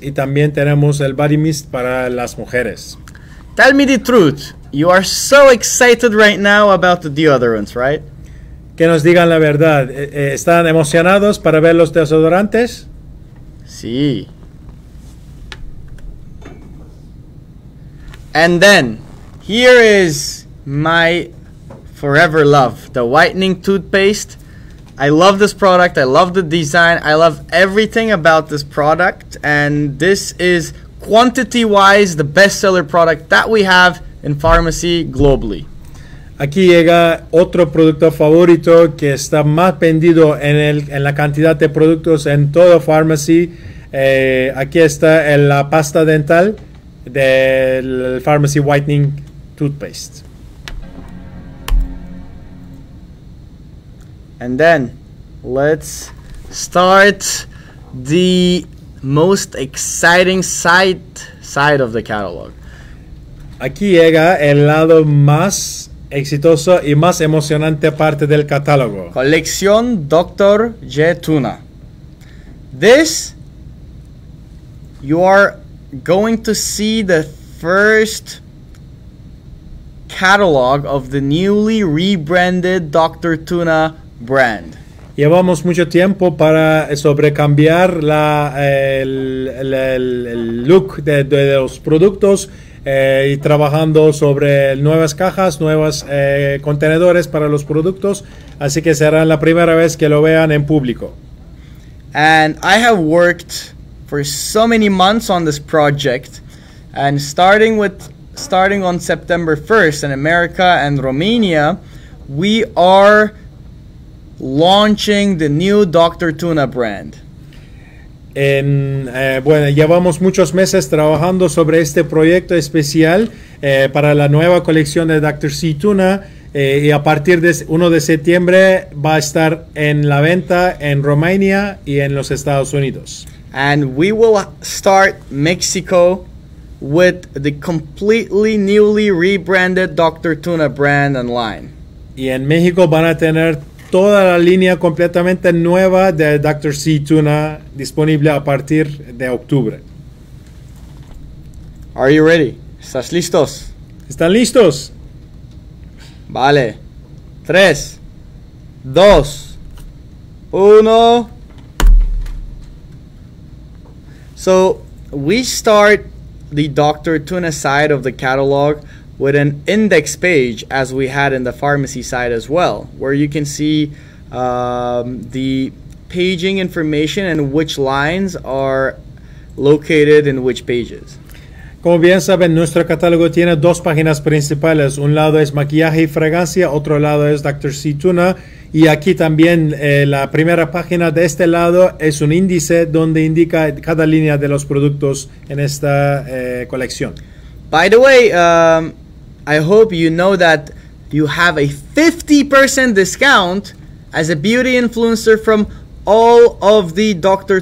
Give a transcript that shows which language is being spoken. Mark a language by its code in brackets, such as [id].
[es] Y también tenemos el Body Mist para las mujeres. [en] Tell me the truth. You are so excited right now about the deodorants, right? [es] Que nos digan la verdad. ¿Están emocionados para ver los desodorantes? Sí. [en] And then, here is my forever love, the whitening toothpaste. I love this product, I love the design, I love everything about this product, and this is quantity-wise the best-seller product that we have in pharmacy globally. [es] Aquí llega otro producto favorito que está más vendido en la cantidad de productos en toda pharmacy. Aquí está en la pasta dental del pharmacy whitening toothpaste. [en] And then, let's start the most exciting side of the catalog. [es] Aquí llega el lado más exitoso y más emocionante parte del catálogo. Colección Dr. J. Tuna. [en] This, you are going to see the first catalog of the newly rebranded Dr. Tuna brand. [es] Llevamos mucho tiempo para sobrecambiar el look de los productos y trabajando sobre nuevas cajas, nuevos contenedores para los productos. Así que será la primera vez que lo vean en público. [en] And I have worked for so many months on this project, and starting on September 1st in America and Romania, we are launching the new Dr. Tuna brand. [es] Llevamos muchos meses trabajando sobre este proyecto especial para la nueva colección de Dr. C. Tuna, y a partir de 1 de septiembre va a estar en la venta en Romania y en los Estados Unidos. [en] And we will start Mexico with the completely newly rebranded Dr. Tuna brand and line. [es] Y en México van a tener toda la línea completamente nueva de Dr. C. Tuna disponible a partir de octubre. [en] Are you ready? [es] ¿Estás listos? ¿Están listos? Vale. 3, 2, 1. [en] So, we start the Dr. Tuna side of the catalog with an index page, as we had in the pharmacy side as well, where you can see the paging information and which lines are located in which pages. [es] Como bien saben, nuestro catálogo tiene dos páginas principales. Un lado es maquillaje y fragancia, otro lado es Dr. C. Tuna. Y aquí también la primera página de este lado es un índice donde indica cada línea de los productos en esta colección. [en] By the way, I hope you know that you have a 50% discount as a beauty influencer from all of the Dr.